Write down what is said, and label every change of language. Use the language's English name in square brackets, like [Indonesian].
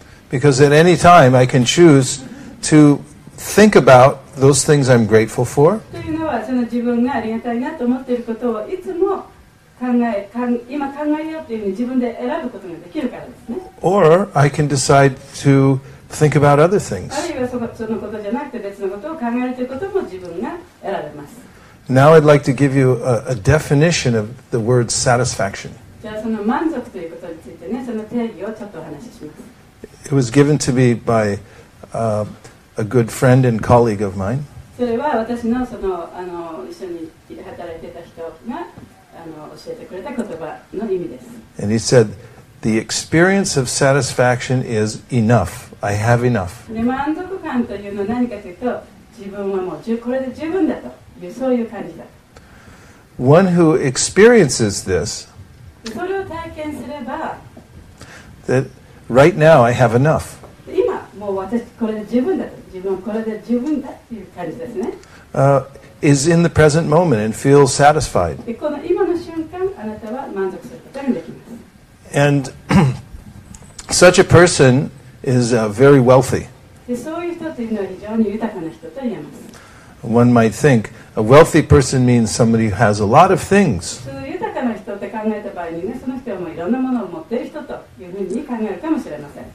[English] Because at any time I can choose to think about those things I'm grateful for. [Japanese] その自分がありがたいなと思っていることをいつも今考えようというふうに自分で選ぶことができるからですね。 [English] Or I can decide to think about other things. [Japanese] あるいはそのことじゃなくて別のことを考えるということも自分が選べます。 [English] Now I'd like to give you a definition of the word satisfaction. [Japanese] じゃあその満足ということについてね、その定義をちょっとお話しします。 [English] It was given to me by a good friend and colleague of mine. [Japanese] それは私 の, その, あの一緒に働いてた人があの教えてくれた言葉の意味です。 [English] And he said, the experience of satisfaction is enough. I have enough. [Japanese] 満足感というのは何かというと、自分はもうこれで十分だという、そういう感じだ。 [English] One who experiences this, [Japanese] それを体験すれば、 [English] that right now I have enough. [Japanese] もう私これで十分だと、自分これで十分だっていう感じですね。 [English] Is in the present moment and feels satisfied. [Japanese] この今の瞬間、あなたは満足することができます。 [English] And such a person is very wealthy. [Japanese] で、そういう人というのは非常に豊かな人と言えます。 [English] One might think a wealthy person means somebody who has a lot of things. [Japanese] その豊かな人って考えた場合にね、その人はもういろんなものを持っている人というふうに考えるかもしれません。